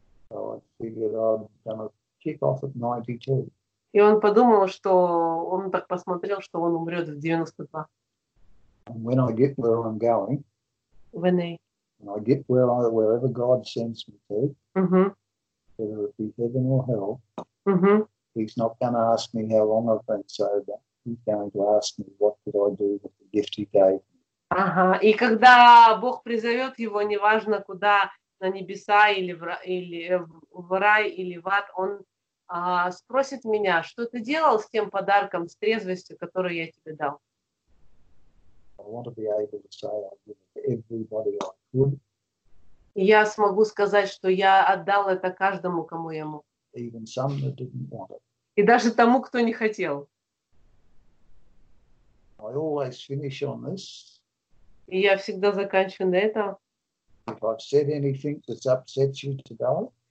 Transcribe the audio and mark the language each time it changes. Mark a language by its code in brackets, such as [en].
[en] So I figured I'm gonna kick off at 92. [ru] И он подумал, что он так посмотрел, что он умрет в 92. [en] And when I get where I'm going, when I get wherever God sends me to, whether it be heaven or hell, He's not going to ask me how long I've been sober. He's going to ask me what did I do with the gift He gave me. [ru] Ага. И когда Бог призовет его, неважно куда, на небеса или в рай или в ад, он спросит меня, что ты делал с тем подарком, с трезвостью, которую я тебе дал. [en] I want to be able to say I give it to everybody I could. [ru] Я смогу сказать, что я отдал это каждому, кому я мог. [en] Even some that didn't want it. [ru] И даже тому, кто не хотел. [en] I always finish on this. [ru] И я всегда заканчиваю на этом. [en] If I've said anything that's upset you today.